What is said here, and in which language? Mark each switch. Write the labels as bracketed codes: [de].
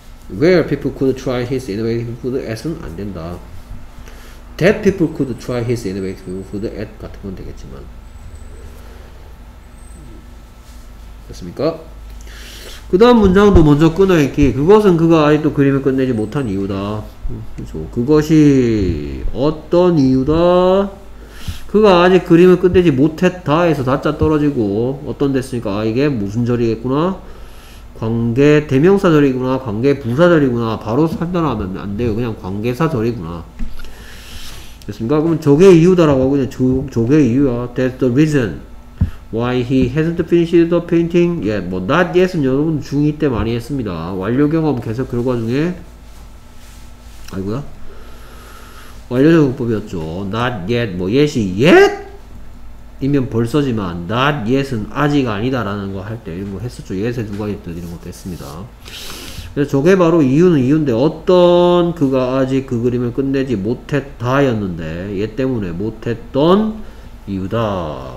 [en] where people could try his innovative food at은 [ko] 안 된다. [en] that people could try his innovative food at [ko] 같은 건 되겠지만. 됐습니까? 그 다음 문장도 먼저 끊어있기. 그것은 그가 아직도 그림을 끝내지 못한 이유다. 그렇죠. 그것이 어떤 이유다? 그가 아직 그림을 끝내지 못했다 해서 다짜 떨어지고 어떤 됐으니까 아 이게 무슨 절이겠구나? 관계 대명사절이구나, 관계 부사절이구나, 바로 판단하면 안 돼요. 그냥 관계사절이구나. 됐습니까? 그럼 저게 이유다라고 하고, 그냥 저게 이유야. [en] That's the reason why he hasn't finished the painting yet. [ko] 뭐, not yet은 여러분 중2 때 많이 했습니다. 완료 경험 계속 결과 중에, 아이고야. 완료 작업법이었죠. not yet, 뭐, yet이 yet? 이면 벌써지만 not yet은 아직 아니다 라는 거 할 때 이런 거 했었죠. yet에 누가 있든 이런 것도 했습니다. 그래서 저게 바로 이유는 이유인데 어떤 그가 아직 그 그림을 끝내지 못했다 였는데 얘 때문에 못했던 이유다.